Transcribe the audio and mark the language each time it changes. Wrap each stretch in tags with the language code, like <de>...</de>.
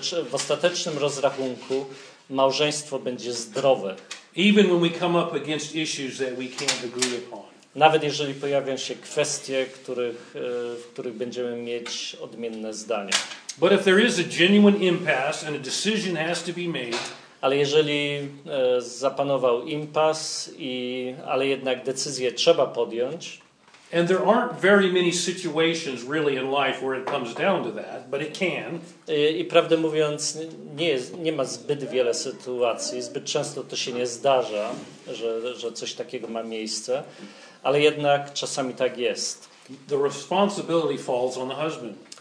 <pl>W ostatecznym rozrachunku małżeństwo będzie zdrowe.</pl> <en>Even when we come up against issues that we can't agree upon.</en> <pl>Nawet jeżeli pojawią się kwestie, w których będziemy mieć odmienne zdania.</pl> <en>But if there is a genuine impasse and a decision has to be made,</en> <pl>ale jeżeli zapanował impas i ale jednak decyzję trzeba podjąć.</pl> <en>And there aren't very many situations really in life where it comes down to that, but it can.</en> <pl>I prawdę mówiąc, nie ma zbyt wiele sytuacji, zbyt często to się nie zdarza, że coś takiego ma miejsce, ale jednak czasami tak jest.</pl> <en>The responsibility falls on the husband.</en>